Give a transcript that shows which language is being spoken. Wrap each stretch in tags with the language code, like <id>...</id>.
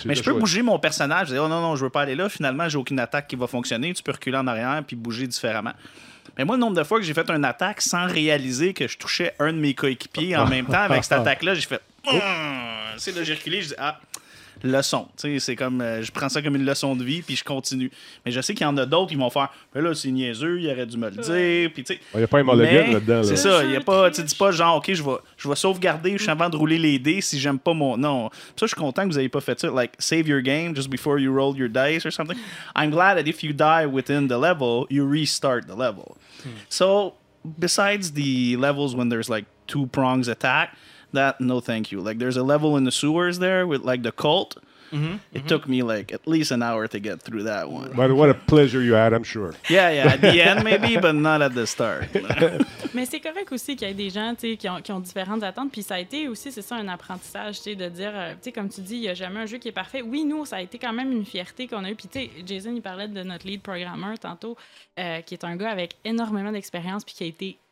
<fr>mais je peux bouger mon personnage, je dis « Oh non, je veux pas aller là, finalement, j'ai aucune attaque qui va fonctionner, tu peux reculer en arrière puis bouger différemment. » Mais moi, le nombre de fois que j'ai fait une attaque sans réaliser que je touchais un de mes coéquipiers en même temps avec cette attaque-là, j'ai fait « C'est là, j'ai reculé, je dis « Ah! » Leçon, tu sais, c'est comme, je prends ça comme une leçon de vie, puis je continue. Mais je sais qu'il y en a d'autres qui vont faire, mais là, c'est niaiseux, il aurait dû me le dire, puis tu sais. Il n'y a pas un mollegun là-dedans. C'est ça, il n'y a pas, tu dis pas genre, OK, je vais sauvegarder, je suis avant de rouler les dés si j'aime pas mon. Non. Puis ça, je suis content que vous n'ayez pas fait ça,</fr> <en>like, save your game just before you roll your dice or something. I'm glad that if you die within the level, you restart the level. So, besides the levels when there's like two prongs attack, that, no thank you. Like, there's a level in the sewers there with, like, the cult. Mm-hmm. It took me, like, at least an hour to get through that one. But what a pleasure you had, I'm sure. Yeah, at the end maybe, but not at the start.</en> <fr>Mais c'est correct aussi qu'il y ait des gens, tu sais, qui ont différentes attentes. Puis ça a été aussi, c'est ça, un apprentissage, tu sais, de dire, tu sais, comme tu dis, il n'y a jamais un jeu qui est parfait. Oui, nous, ça a été quand même une fierté qu'on a eue. Puis tu sais, Jason, il parlait de notre lead programmer tantôt, qui est un gars avec énormément d'expérience puis qui a été...</fr>